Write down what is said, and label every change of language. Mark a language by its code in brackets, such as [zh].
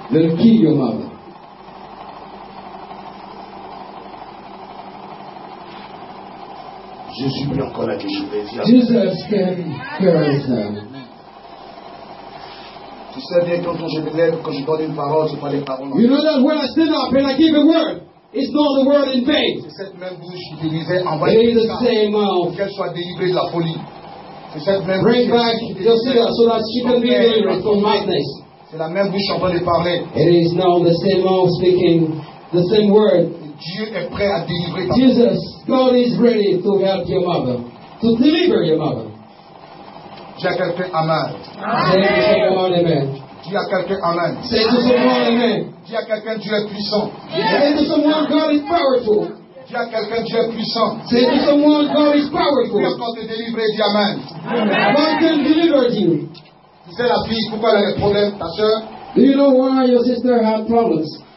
[en] They'll kill your mother. [fr] Jésus peut encore la délivrer. Tu sais bien quand je me lève, quand je donne une parole, ce n'est pas les paroles. [en] You know that when I stand up and I give a word, it's not the word in vain. [fr] C'est cette même bouche qui disait envoie qu'elle soit délivrée de la folie. C'est cette même [en] bring back yourself so that she can be delivered from madness. [fr] C'est la même bouche en train de parler. [en] It is now the same mouth speaking the same word. [fr] Dieu est prêt à délivrer ta [en] Jesus, God is ready to help your mother, to deliver your mother. [fr] Dis à quelqu'un Amen. Amen. Dis à quelqu'un Amen. [en] Say to someone Amen. [fr] Dis à quelqu'un Dieu est puissant. [en] Say to someone God is powerful. [fr] Dis à quelqu'un Dieu est puissant. [en] Say to someone God is powerful. [fr] Dieu peut te délivrer, dis Amen. [en] God can deliver you. [fr] Tu sais la fille, pourquoi elle a des problèmes, ta soeur? [en] Do you know why your sister had problems?